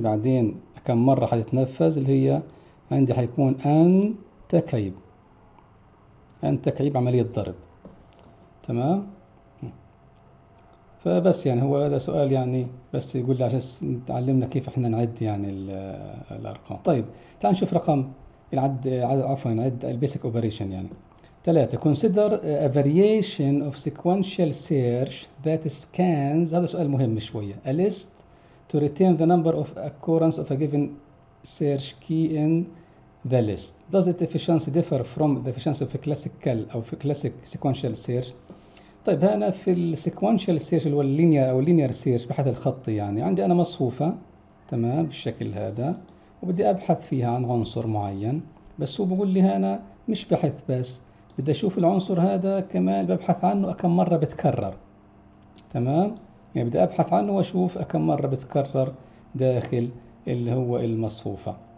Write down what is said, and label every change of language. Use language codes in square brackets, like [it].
[ar] بعدين كم مرة حتتنفذ، اللي هي عندي حيكون ان تكعيب، ان تكعيب عملية ضرب، تمام. فبس يعني هو هذا سؤال يعني بس يقول لي عشان تعلمنا كيف احنا نعد يعني الارقام. طيب تعال نشوف رقم العد، عفوا نعد البيسك اوبريشن يعني. [en] 3 consider a variation of sequential search that scans، [ar] هذا سؤال مهم شوية، [en] a list to retain the number of occurrence of a given search key in the list. Does its efficiency differ from the efficiency of a classical [ar] أو في [en] classic sequential search؟ [ar] طيب هنا في ال sequential search اللي هو linear أو linear search بحث الخطي يعني، عندي أنا مصفوفة تمام بالشكل هذا وبدي أبحث فيها عن عنصر معين، بس هو بقول لي هنا مش بحث بس، بدي اشوف العنصر هذا كمان ببحث عنه كم مره بتكرر، تمام، يعني بدي ابحث عنه واشوف كم مره بتكرر داخل اللي هو المصفوفه.